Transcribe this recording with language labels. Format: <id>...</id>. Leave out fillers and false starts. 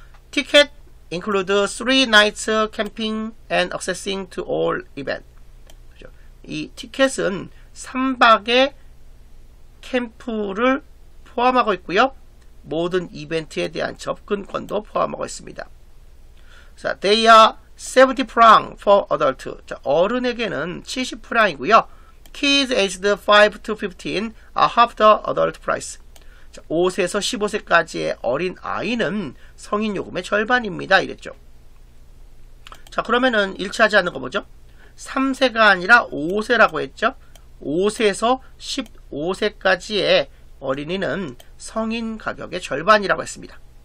<en>Ticket include three nights camping and accessing to all event.</en> <ko>그렇죠? 이 티켓은 3박의 캠프를 포함하고 있고요. 모든 이벤트에 대한 접근권도 포함하고 있습니다.</ko> <en>자, they are 70 francs for adult.</en> <ko>자, 어른에게는 70프랑이고요.</ko> <en>Kids aged 5 to 15 are half the adult price.</en> <ko>자, 5세에서 15세까지의 어린 아이는 성인 요금의 절반입니다. 이랬죠. 자, 그러면은 일치하지 않는 거 뭐죠? 3세가 아니라 5세라고 했죠. 5세에서 15세까지의 어린이는 성인 가격의 절반이라고 했습니다.</ko>